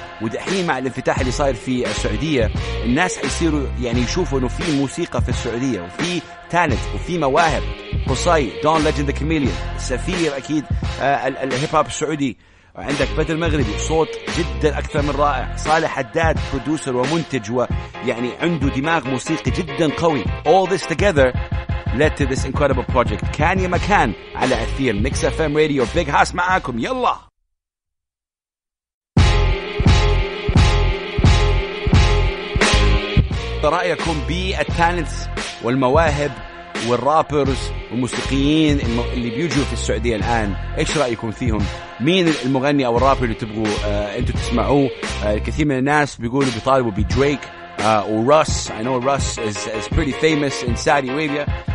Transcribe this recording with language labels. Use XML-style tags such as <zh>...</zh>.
<ar>ودحين مع الانفتاح اللي صاير في السعودية, الناس حيصيروا يعني يشوفوا انه في موسيقى في السعودية وفي تالنت وفي مواهب. قصاي دون ليجند كاميليون سفير اكيد الهيب هوب السعودي, عندك بدر مغربي صوت جدا اكثر من رائع, صالح حداد برودوسر ومنتج ويعني عنده دماغ موسيقي جدا قوي.</ar> <en>All this together led to this incredible project.</en> <ar>كان يا مكان على اثير Mix FM Radio. Big Hass معاكم يلا. رأيكم بالتالنتس والمواهب والرابرز والموسيقيين اللي بيجوا في السعودية الآن, ايش رأيكم فيهم؟ مين المغني او الرابر اللي تبغوا انتوا تسمعوه؟ الكثير من الناس بيقولوا بيطالبوا بدريك وروس.</ar> <en>I know Russ is pretty famous in Saudi Arabia.</en>